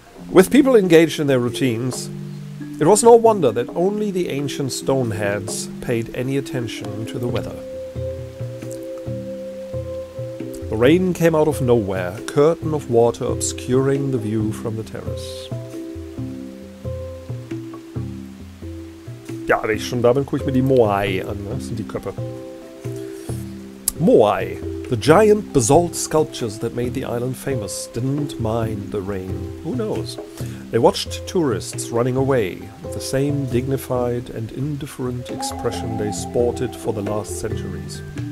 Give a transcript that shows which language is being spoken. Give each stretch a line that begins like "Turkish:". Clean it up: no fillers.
English: With people engaged in their routines, it was no wonder that only the ancient stoneheads paid any attention to the weather. The rain came out of nowhere, a curtain of water obscuring the view from the terrace.
German: Ja, wenn ich schon da bin, gucke ich mir die Moai an, das sind die Köpfe.
English: Moai, the giant basalt sculptures that made the island famous, didn't mind the rain. Who knows? They watched tourists running away with the same dignified and indifferent expression they sported for the last centuries.